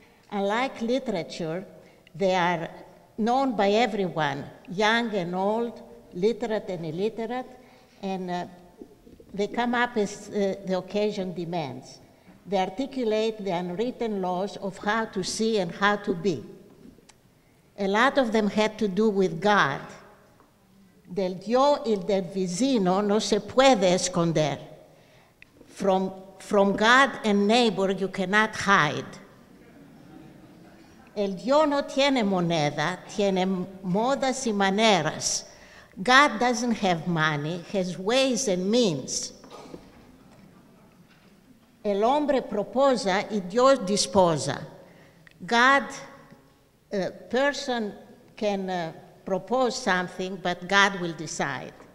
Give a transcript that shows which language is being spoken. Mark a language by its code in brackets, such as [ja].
[en] Unlike literature, they are known by everyone, young and old, literate and illiterate, and they come up as the occasion demands. They articulate the unwritten laws of how to see and how to be. A lot of them had to do with God. [lad] Del Dio y del vecino no se puede esconder. [en] From God and neighbor you cannot hide. [lad] El Dio no tiene moneda, tiene modas y maneras. [en] God doesn't have money, has ways and means. [lad] El hombre proposa y Dios disposa. [en] A person can propose something, but God will decide.